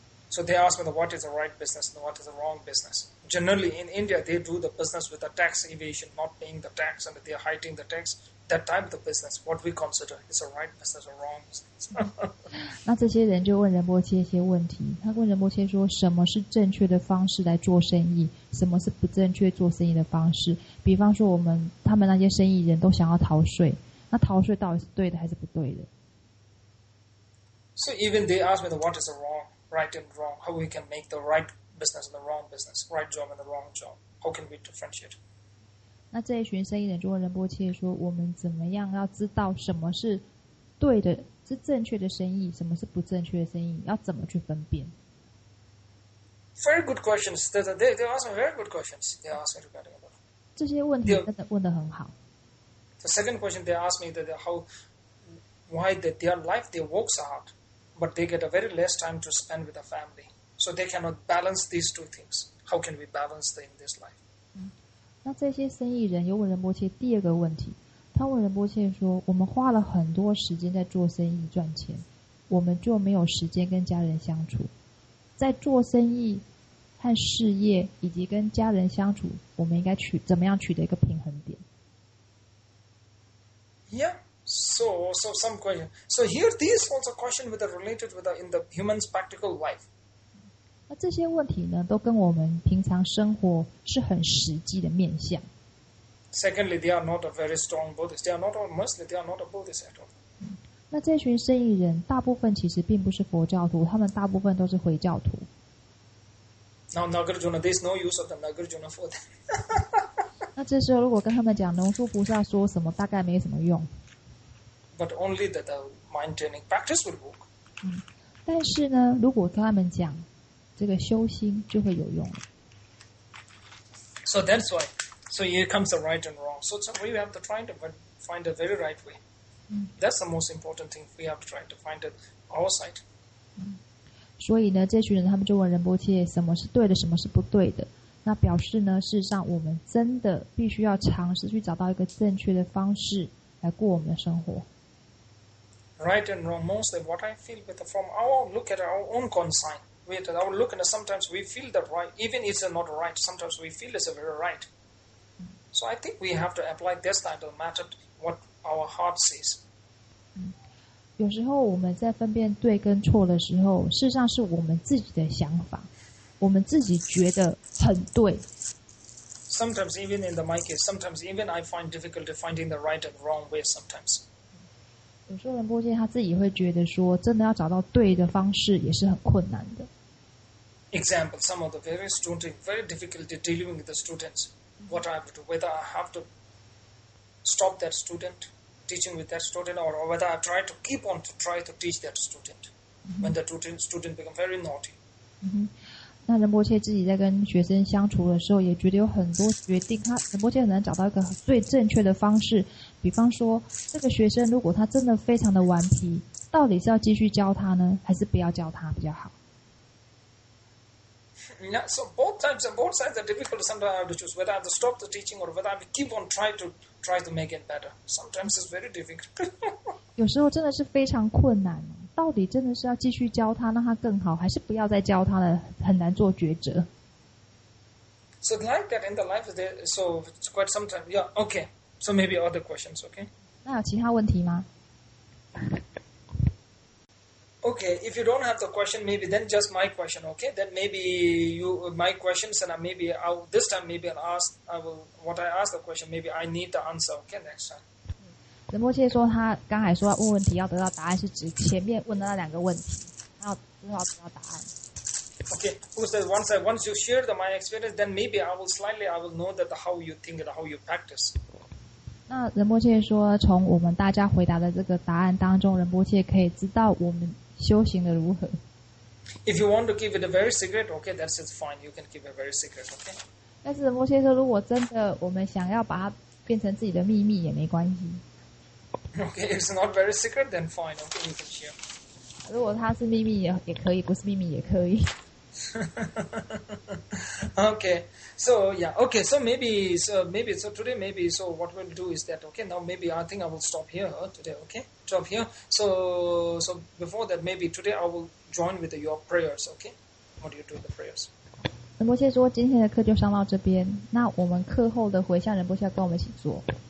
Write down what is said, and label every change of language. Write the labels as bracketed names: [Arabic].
[English] So they ask me what is the right business and what is the wrong business. Generally in India, they do the business with the tax evasion, not paying the tax, and they are hiding the tax. That type of the business, what we consider is a right business or wrong business. [Chinese] 那这些人就问仁波切一些问题。他问仁波切说，什么是正确的方式来做生意？什么是不正确做生意的方式？比方说，他们那些生意人都想要逃税，那逃税到底是对的还是不对的？ [English] So even they ask me what is the wrong, right and wrong, how we can make the right business and the wrong business, right job and the wrong job, how can we differentiate? [Chinese] 那这一群生意人就问仁波切说，我们怎么样要知道什么是对的，是正确的生意，什么是不正确的生意，要怎么去分辨？ [English] Very good questions. They ask me very good questions. They ask me regarding about [Chinese] 这些问题真的问得很好。 [English] The second question they ask me that how why that their life they works out, but they get a very less time to spend with the family, so they cannot balance these two things. How can we balance them in this life?、 [Chinese] 那这些生意人又问仁波切第二个问题，他问仁波切说：“我们花了很多时间在做生意赚钱，我们就没有时间跟家人相处。” 在做生意和事业以及跟家人相处，我们应该怎么样取得一个平衡点 [English] ？Yeah, so some question. So here, these also question with the related with the in the human's practical life. [Chinese] 那这些问题呢，都跟我们平常生活是很实际的面向。 [English] Secondly, they are not a very strong Buddhist. They are not a Muslim. They are not a Buddhist at all. [Chinese] 那这群生意人大部分其实并不是佛教徒，他们大部分都是回教徒。 [English] Now Nagarjuna, there's no use of the Nagarjuna for them. [Chinese] 那这时候如果跟他们讲龙树菩萨说什么，大概没什么用。 [English] But only that the maintaining practice will work.、 [Chinese] 但是呢，如果跟他们讲这个修心就会有用。 [English] So that's why, so here comes the right and wrong. So we have to try to find a very right way. That's the most important thing we have to try to find it our side. [Chinese] 所以呢，这群人他们就问仁波切什么是对的，什么是不对的。那表示呢，事实上我们真的必须要尝试去找到一个正确的方式来过我们的生活。 [English] Right and wrong, mostly what I feel with the, from our look at our own concern. With our look and sometimes we feel that right, even if it's not right, sometimes we feel it's a very right. So I think we have to apply this kind of matter to what. Our heart says. [Chinese] 有时候我们在分辨对跟错的时候，事实上是我们自己的想法，我们自己觉得很对。 [English] Sometimes even in the my case, sometimes even I find difficulty finding the right and wrong way. Sometimes. [Chinese] 有时候仁波切他自己会觉得说，真的要找到对的方式也是很困难的。 [English] example, some of the very students, very difficulty dealing with the students, what I have to, whether I have to stop that student, teaching with that student, or whether I try to keep on to try to teach that student, mm-hmm. when the student become very naughty. Mm-hmm. [Chinese] 那仁波切自己在跟学生相处的时候也觉得有很多决定，他仁波切很难找到一个最正确的方式，比方说这个学生如果他真的非常的顽皮，到底是要继续教他呢，还是不要教他比较好？ [English] Yeah, so both sides are difficult. Sometimes I have to choose whether I have to stop the teaching or whether I have to keep on trying to make it better. Sometimes it's very difficult. [Chinese] 有时候真的是非常困难，到底真的是要继续教他让他更好，还是不要再教他了，很难做抉择。 [English] So like that in the life, so quite sometimes, yeah, okay. So maybe other questions, okay? [Chinese] 那有其他问题吗？ [English] Okay, if you don't have the question, maybe then just my question, okay? Then maybe you, my questions, and maybe I'll, this time maybe I'll ask, I will, what I ask the question, maybe I need the answer, okay, next time. [Chinese] 仁波切说他刚才说问问题要得到答案，是指前面问的那两个问题，他要最后得到答案。 [English] Okay, who says once you share the my experience, then maybe I will know that how you think and how you practice. [Chinese] 那仁波切说，从我们大家回答的这个答案当中，仁波切可以知道我们修行的如何。 [English] If you want to keep it a very secret, okay, that's just fine. You can keep it very secret, okay. [Chinese] 但是仁波切说，如果真的我们想要把它变成自己的秘密也没关系。 [English] Okay, it's not very secret, then fine. Okay, you can share. [Chinese] 如果它是秘密也可以，不是秘密也可以。 [English] Okay, so yeah, okay, so today maybe, so what we'll do is that, okay, now maybe I think I will stop here today, okay, stop here, so before that, maybe today I will join with your prayers, okay, how do you do the prayers? [Chinese] 仁波切说今天的课就上到这边，那我们课后的回向仁波切跟我们一起做。